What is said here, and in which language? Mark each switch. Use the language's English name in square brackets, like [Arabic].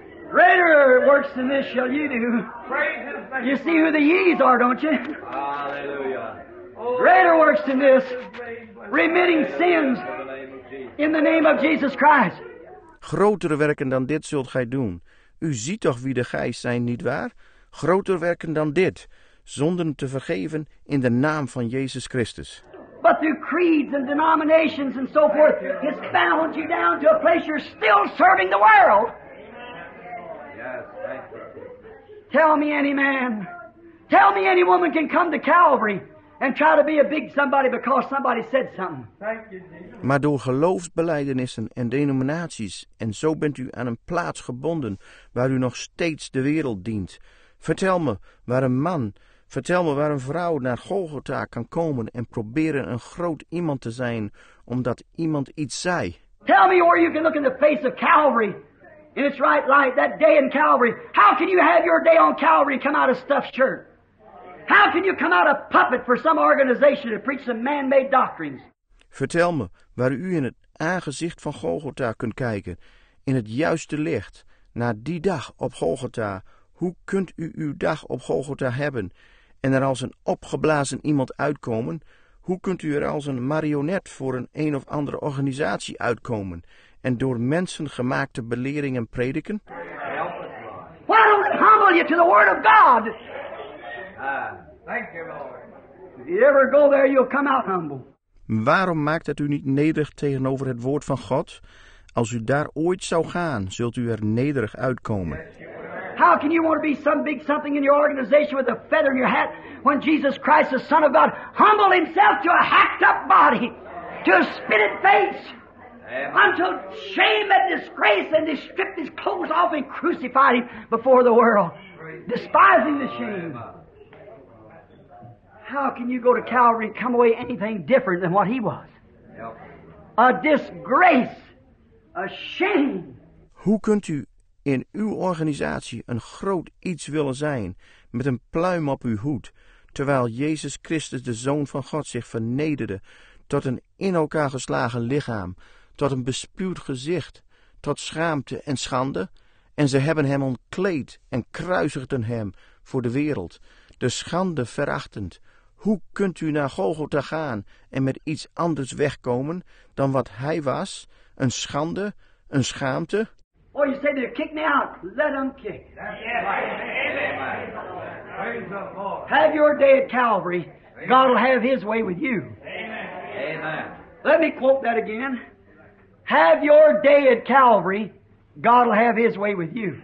[English] Greater works than this shall ye do. You see who the ye's are, don't you? Halleluja. Greater works than this. Remitting sins. In the name of Jesus Christ. [Dutch] Grotere werken dan dit zult gij doen. U ziet toch wie de gijs zijn, nietwaar? Grotere werken dan dit. Zonden te vergeven in de naam van Jezus Christus. [English] But through creeds and denominations and so forth, it's bound you down to a place you're still serving the world. Tell me any man. Tell me any woman can come to Calvary. And try to be a big somebody because somebody said something. Thank you, Jesus. [Dutch] Maar door geloofsbelijdenissen en denominaties, en zo bent u aan een plaats gebonden waar u nog steeds de wereld dient. Vertel me waar een man, vertel me waar een vrouw naar Golgotha kan komen en proberen een groot iemand te zijn omdat iemand iets zei. [English] Tell me where you can look in the face of Calvary in its right light, that day in Calvary. How can you have your day on Calvary and come out of stuffed shirt? How can you come out a puppet for some organization to preach some man-made doctrines? [Dutch] Vertel me waar u in het aangezicht van Golgotha kunt kijken, in het juiste licht, naar die dag op Golgotha. Hoe kunt u uw dag op Golgotha hebben en er als een opgeblazen iemand uitkomen? Hoe kunt u er als een marionet voor een of andere organisatie uitkomen en door mensen gemaakte beleringen prediken? [English] Why don't humble you to the word of God? Thank you, Lord. If you ever go there, you'll come out humble. [Dutch] Waarom maakt het u niet nederig tegenover het woord van God? Als u daar ooit zou gaan, zult u er nederig uitkomen. [English] How can you want to be some big something in your organization with a feather in your hat when Jesus Christ, the Son of God, humbled himself to a hacked up body, to a spitted face, until shame and disgrace, and he stripped his clothes off and crucified him before the world, despising the shame? How can you go to Calvary and come away anything different than what he was? A disgrace, a shame. [Dutch] Hoe kunt u in uw organisatie een groot iets willen zijn met een pluim op uw hoed, terwijl Jezus Christus, de Zoon van God, zich vernederde tot een in elkaar geslagen lichaam, tot een bespuwd gezicht, tot schaamte en schande? En ze hebben hem ontkleed en kruisigden hem voor de wereld, de schande verachtend. Hoe kunt u naar Golgotha gaan en met iets anders wegkomen dan wat hij was? Een schande, een schaamte? [English] Oh, you say they'll kick me out. Let them kick. That's right. Amen. Praise the Lord. Have your day at Calvary. God will have his way with you. Amen. Amen. Let me quote that again. Have your day at Calvary. God will have his way with you.